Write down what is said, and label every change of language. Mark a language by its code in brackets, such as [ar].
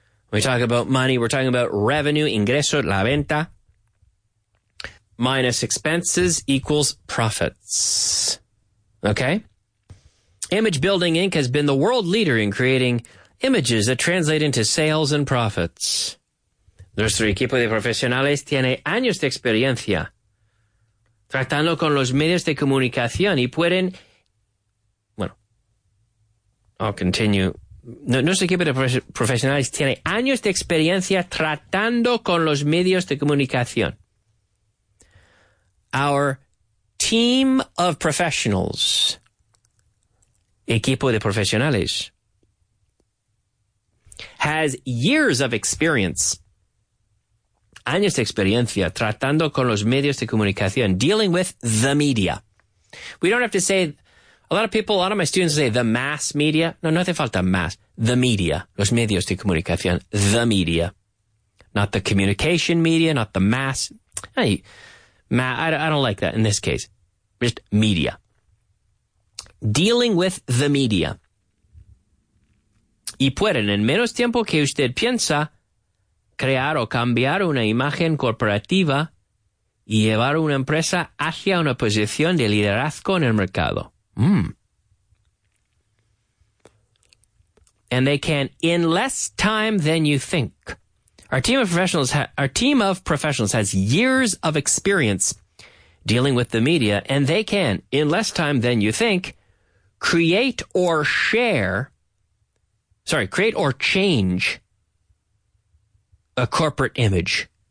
[en] We talk about money, we're talking about revenue, [es] ingreso, la venta, [en] minus expenses equals profits. Okay? Image Building Inc. has been the world leader in creating images that translate into sales and profits. [es] Nuestro equipo de profesionales tiene años de experiencia tratando con los medios de comunicación y pueden... Bueno, [en] I'll continue. [es] Nuestro equipo de profesionales tiene años de experiencia tratando con los medios de comunicación. [en] Our team of professionals. [es] Equipo de profesionales. [en] Has years of experience. [es] Años de experiencia tratando con los medios de comunicación. [en] Dealing with the media. We don't have to say, a lot of people, a lot of my students say the mass media. [es] No, no hace falta mass. [en] The media. [es] Los medios de comunicación. The media. [en] Not the communication media, not the mass. Hey, I don't like that in this case. Just media. Dealing with the media. [es] Y pueden, en menos tiempo que usted piensa, crear o cambiar una imagen corporativa y llevar una empresa hacia una posición de liderazgo en el mercado. Mm. [en] And they can, in less time than you think. Our team of professionals has years of experience dealing with the media, and they can, in less time than you think, create or change a corporate image.